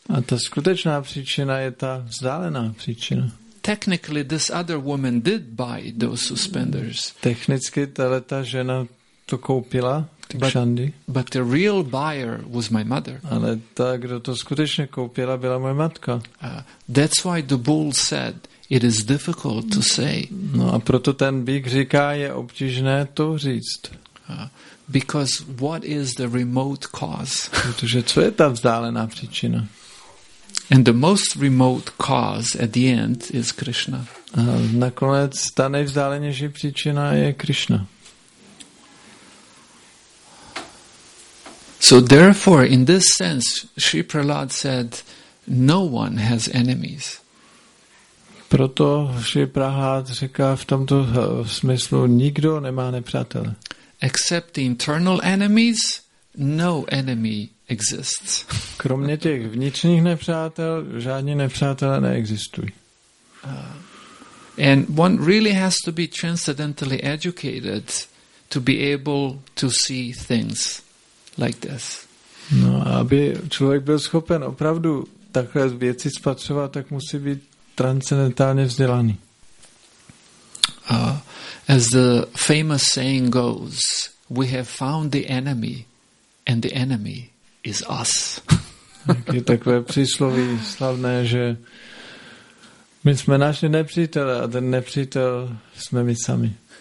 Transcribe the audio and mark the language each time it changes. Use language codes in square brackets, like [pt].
[cs] A ta skutečná příčina je ta vzdálená příčina. [en] Technically this other woman did buy those suspenders. [cs] Technicky ta žena to koupila. [en] But the real buyer was my mother. [cs] Ale ta, kdo to skutečně koupila, byla moje matka. [en] That's why the bull said it is difficult to say. [cs] No a proto ten bík říká, je obtížné to říct. [en] Because what is the remote cause? [cs] Protože co je ta vzdálená příčina? [en] And the most remote cause at the end is Krishna. [cs] A nakonec ta nejvzdálenější příčina je Krishna. [en] So therefore, in this sense, Sri Prahlad said, no one has enemies. [cs] Proto Sri Prahlad říká v tomto smyslu, nikdo nemá nepřátele. [en] Except the internal enemies, no enemy exists. [cs] Kromě těch vnitřních nepřátel, žádní nepřátelé neexistují. [en] And one really has to be transcendentally educated to be able to see things. Like this. [cs] No, aby člověk byl schopen opravdu takhle věci spatřovat, tak musí být transcendentálně vzdělaný. [en] As the famous saying goes, we have found the enemy and the enemy is us. [cs] Je takové přísloví slavné, že my jsme našli nepřítele a ten nepřítel jsme my sami.